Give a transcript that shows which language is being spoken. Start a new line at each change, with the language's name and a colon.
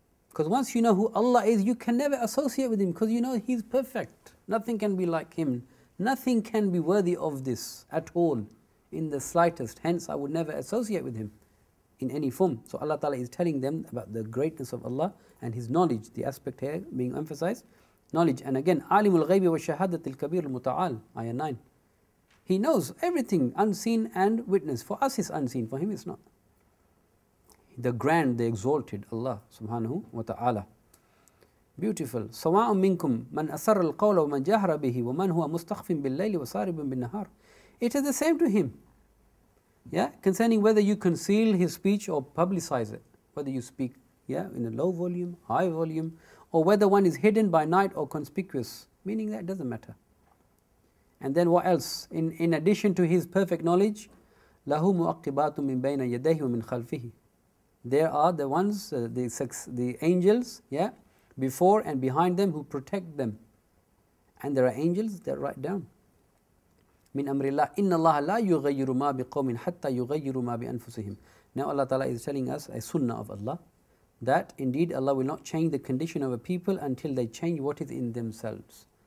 English: Because once you know who Allah is, you can never associate with Him. Because you know He's perfect. Nothing can be like Him. Nothing can be worthy of this at all, in the slightest. Hence, I would never associate with Him. In any form. So Allah Ta'ala is telling them about the greatness of Allah and His knowledge, the aspect here being emphasized, knowledge. And again,
Arabic: عَلِمُ الْغَيْبِ وَالشَّهَادَةِ الْكَبِيرُ الْمُتَعَالِ, Ayah 9.
English: He knows everything, unseen and witness. For us it's unseen, for Him it's not. The grand, the exalted Allah subhanahu wa ta'ala. Beautiful.
Arabic: سَوَاءٌ مِّنْكُمْ مَنْ أَسَرَّ الْقَوْلَ وَمَنْ جَهْرَ بِهِ وَمَنْ هُوَ مُسْتَخْفٍ بِاللَّيْلِ وَصَارِبٌ بِالنَّهَارِ.
English: It is the same to Him. Yeah, concerning whether you conceal his speech or publicize it, whether you speak, yeah, in a low volume, high volume, or whether one is hidden by night or conspicuous, meaning that doesn't matter. And then what else? In addition to his perfect knowledge,
Arabic: لَهُ مُؤَقِّبَاتٌ مِّن بَيْنَ يَدَيْهِ وَمِنْ خَلْفِهِ.
English: There are the ones, the angels, yeah, before and behind them who protect them. And there are angels that write down.
Arabic: مِنْ أَمْرِ اللَّهِ إِنَّ اللَّهَ لَا يُغَيِّرُ مَا بِقَوْمٍ حَتَّى يُغَيِّرُ مَا بِأَنفُسِهِمْ.
English: Now Allah Ta'ala is telling us a sunnah of Allah, that indeed Allah will not change the condition of a people until they change what is in themselves.